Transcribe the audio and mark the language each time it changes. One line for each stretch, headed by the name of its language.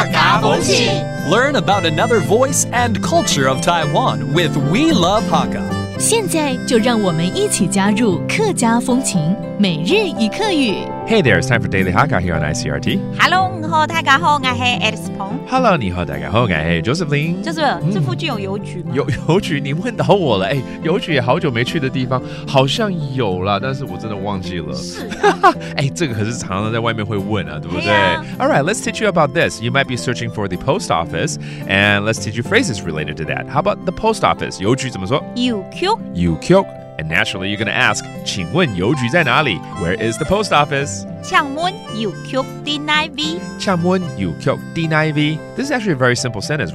English: Learn about another voice and culture of Taiwan with We Love Hakka.
Chinese: 现在就让我们一起加入客家风情，每日一客语。
English: Hey there, it's time for Daily Hakka here on ICRT.
Chinese: Hello, 你好，大家好，我是 Alice Peng. Hello, 你好，大家好，我是 Joseph Lin. Joseph, 这附近有邮局吗？有邮局，你问到我了。邮局也好久没去的地方，好像有啦，但是我真的忘记了。是、啊。这个可是常常在外面会问啊，对不对、哎、
English: ？All right, let's teach you about this. You might be searching for the post office, and let's teach you phrases related to that. How about the post office?
Chinese: 邮局怎么说？邮局。邮局。
English: And naturally, you're going to ask,
Chinese: 请问邮局在哪里?
English: Where is the post office?
Chinese: 请问邮局在哪里? 请问邮局在哪里?
English: This is actually a very simple sentence.